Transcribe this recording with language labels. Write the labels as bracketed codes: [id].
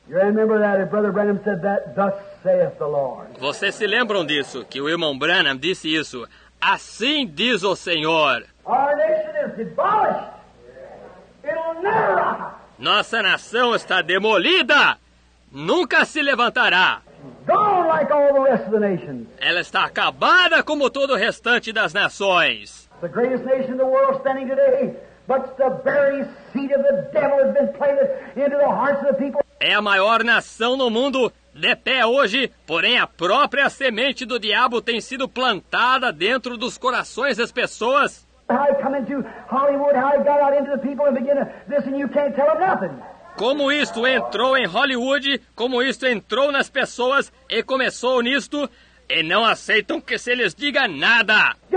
[en] You remember that if Brother Branham said that, thus saith the Lord. [pt] Vocês se lembram disso, que o irmão Branham disse isso. Assim diz o Senhor. [en] Our nation is demolished. It'll never rise. [pt] Nossa nação está demolida. Nunca se levantará. [en] Gone like all the rest of the nations. [pt] Ela está acabada como todo o restante das nações. [en] The greatest nation in the world standing today, but the very seed of the devil has been planted into the hearts of the people. [pt] É a maior nação no mundo de pé hoje, porém a própria semente do diabo tem sido plantada dentro dos corações das pessoas. [en] How I come into Hollywood, how I got out into the people and begin this, and you can't tell them nothing. [pt] Como isto entrou em Hollywood, como isto entrou nas pessoas e começou nisto, e não aceitam que se lhes diga nada.